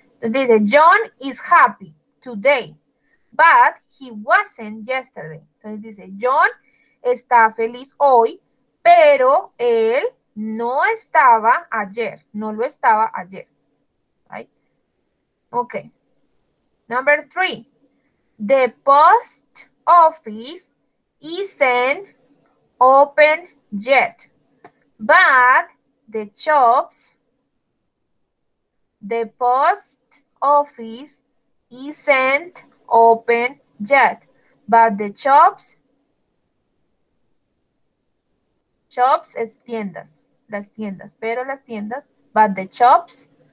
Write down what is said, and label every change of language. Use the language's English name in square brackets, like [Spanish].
[Spanish] Entonces dice, [English] John is happy today, but he wasn't yesterday. [Spanish] Entonces dice, John está feliz hoy, pero él no estaba ayer, no lo estaba ayer, right? [English] Ok. Number three, the post office isn't open yet, but the shops, the post office isn't open yet, but the shops, shops [Spanish] es tiendas, las tiendas, [English] pero las tiendas, but the shops,